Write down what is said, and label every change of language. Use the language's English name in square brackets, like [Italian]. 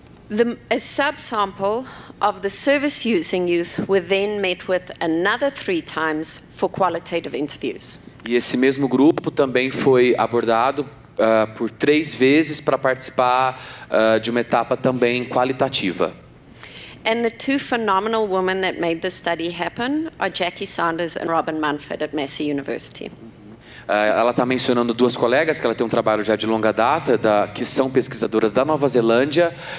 [English] A subsample of the service using youth were then met with another 3 times for qualitative interviews. [Portuguese] E esse mesmo grupo também foi abordado por 3 vezes para participar de uma etapa também qualitativa. [English] And the two phenomenal women that made this study happen are Jackie Saunders and Robin Munford at Massey University. [Portuguese] Ela está mencionando duas colegas que ela tem um trabalho já de longa data, que são pesquisadoras da Nova Zelândia.